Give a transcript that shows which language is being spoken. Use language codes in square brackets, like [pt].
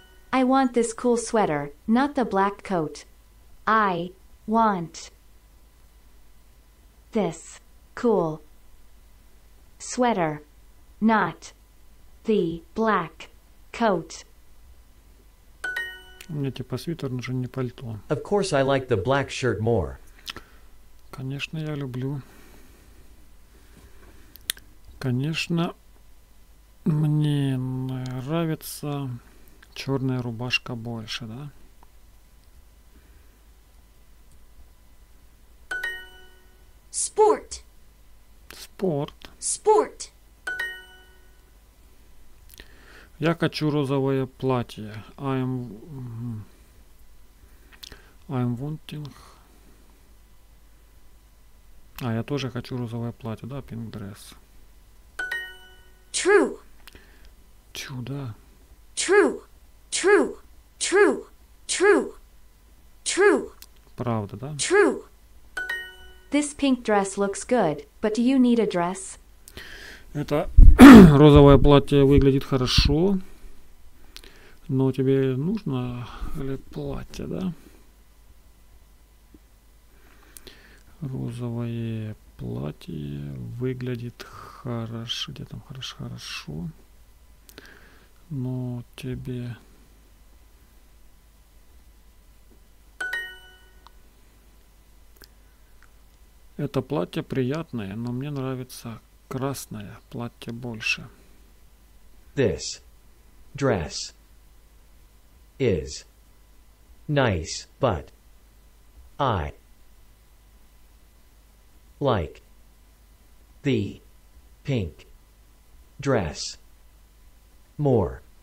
[en] I want this cool sweater, not the black coat. I want this cool sweater, not the black coat. [ru] Мне типа свитер нужен, не пальто. [en] Of course I like the black shirt more. [ru] Конечно, я люблю. Конечно, мне нравится черная рубашка больше, да? [en] Sport. [ru] Спорт. Спорт. Я хочу розовое платье. [en] I'm wanting. [ru] А я тоже хочу розовое платье, да, [en] pink dress. True. True, [ru] да. [en] True. True. True. True. True. [ru] Правда, да? [en] True. This pink dress looks good, but do you need a dress? [ru] Это розовое платье выглядит хорошо, но тебе нужно ли платье, да? Розовое платье выглядит хорошо. Где там хорошо? Хорошо. Но тебе... Это платье приятное, но мне нравится красное платье больше. [en] This dress is nice, but I like the pink dress more.